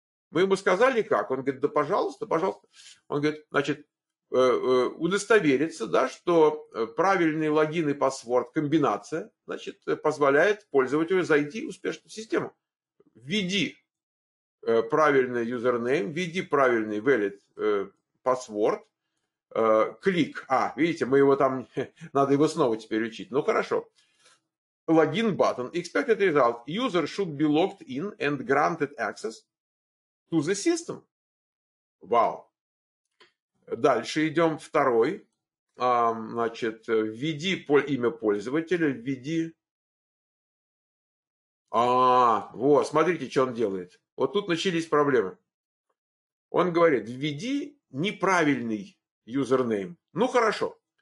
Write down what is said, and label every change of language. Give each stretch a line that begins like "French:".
Russian: Мы ему сказали как? Он говорит, да пожалуйста, пожалуйста. Он говорит, значит, удостовериться, да, что правильный логин и паспорт, комбинация, значит, позволяет пользователю зайти успешно в систему. Введи правильный username, введи правильный valid password, клик. А, видите, мы его там, надо его снова теперь учить. Ну, хорошо.
English: Login button. Expected result. User should be logged in and granted access to the system.
Russian: Вау. Дальше идем второй. Значит, введи имя пользователя, введи... вот, смотрите, что он делает. Вот тут начались проблемы. Он говорит, введи неправильный юзернейм. Ну, хорошо.